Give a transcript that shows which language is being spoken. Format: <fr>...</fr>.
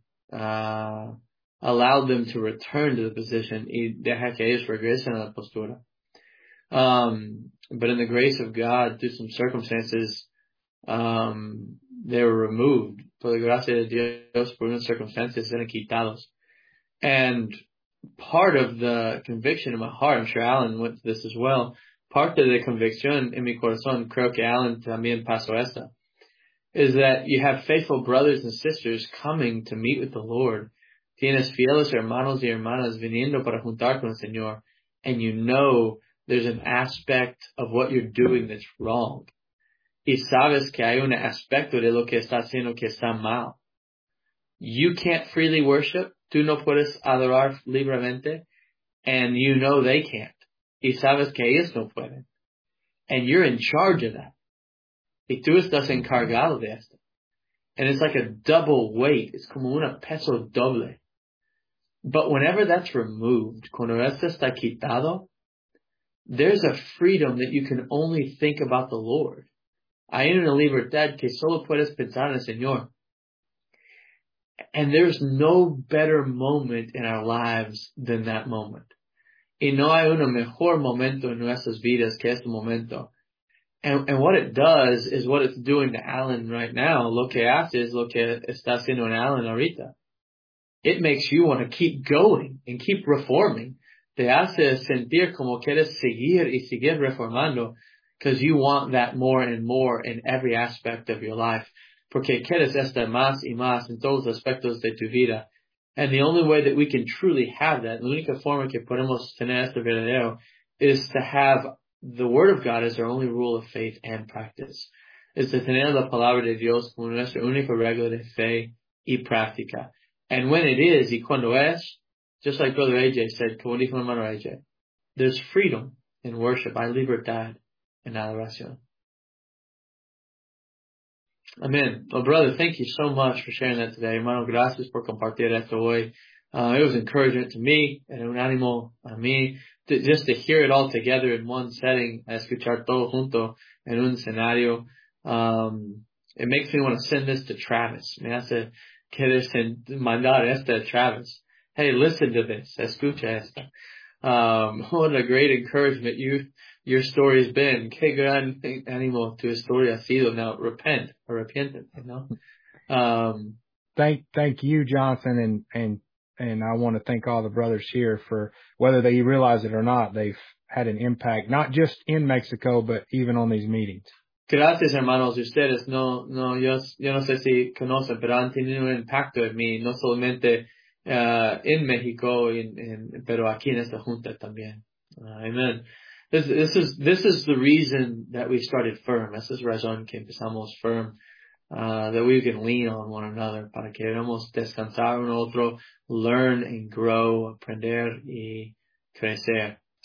<en>And then allowed them to return to the position.</en> <es>Y deja que ellos regresen a la postura.</es> <en>But in the grace of God, through some circumstances, they were removed.</en> <es>Por la gracia de Dios, por unas circunstancias, eran quitados.</es> <en>And part of the conviction in my heart, I'm sure Alan went to this as well, part of the conviction in</en> <es>mi corazón, creo que Alan también pasó esta,</es> <en>is that you have faithful brothers and sisters coming to meet with the Lord.</en> <es>Tienes fieles hermanos y hermanas viniendo para juntar con el Señor.</es> <en>And you know there's an aspect of what you're doing that's wrong.</en> <es>Y sabes que hay un aspecto de lo que está haciendo que está mal.</es> <en>You can't freely worship.</en> <es>Tú no puedes adorar libremente.</es> <en>And you know they can't.</en> <es>Y sabes que ellos no pueden.</es> <en>And you're in charge of that.</en> <es>Y tú estás encargado de esto.</es> <en>And it's like a double weight. It's</en> <es>como una peso doble.</es> <en>But whenever that's removed,</en> <es>cuando esto está quitado,</es> <en>there's a freedom that you can only think about the Lord.</en> <es>Hay una libertad que solo puedes pensar en el Señor.</es> <en>And there's no better moment in our lives than that moment.</en> <es>Y no hay un mejor momento en nuestras vidas que este momento.</es> <en>And what it does is what it's doing to Alan right now.</en> <es>Lo que hace es lo que está haciendo en Alan ahorita.</es> <en>It makes you want to keep going and keep reforming.</en> <es>Te hace sentir como quieres seguir y seguir reformando</es> <en>because you want that more and more in every aspect of your life.</en> <es>Porque quieres estar más y más en todos los aspectos de tu vida.</es> <en>And the only way that we can truly have that,</en> <es>la única forma que podemos tener este verdadero,</es> <en>is to have the Word of God as our only rule of faith and practice.</en> <es>Es de tener la palabra de Dios como nuestra única regla de fe y práctica.</es> <en>And when it is,</en> <es>y cuando es,</es> <en>just like Brother AJ said,</en> <es>como dijo hermano AJ,</es> <en>there's freedom in worship,</en> <es>hay libertad en adoración.</es> <en>Amen. Well, brother, thank you so much for sharing that today.</en> <es>Hermano, gracias por compartir esto hoy.</es> <en>It was encouragement to me and</en> <es>un ánimo a mí</es> <en>just to hear it all together in one setting,</en> <es>escuchar todo junto en un escenario.</es> <en>It makes me want to send this to Travis.</en> <es>Me hace querer mandar esto a Travis.</es> <en>Hey, listen to this.</en> <es>Escucha esto.</es> <en>What a great encouragement your story has been.</en> <es>Qué gran ánimo tu historia ha sido.</es> <en>Now repent,</en> <es>arrepiéntete,</es> <en>you know? Thank you, Jonathan, and I want to thank all the brothers here for, whether they realize it or not, they've had an impact, not just in Mexico, but even on these meetings.</en> <es>Gracias, hermanos. Ustedes yo no sé si conocen, pero han tenido un impacto en mí, no solamente en México, pero aquí en esta junta también. Amen.</es> <en>This is the reason that we started Firm. This is</en> <es>razón que empezamos</es> <en>Firm. that we can lean on one another</en> <es>para que podamos descansar uno otro,</es> <en>learn and grow,</en> <es>aprender y crecer.</es>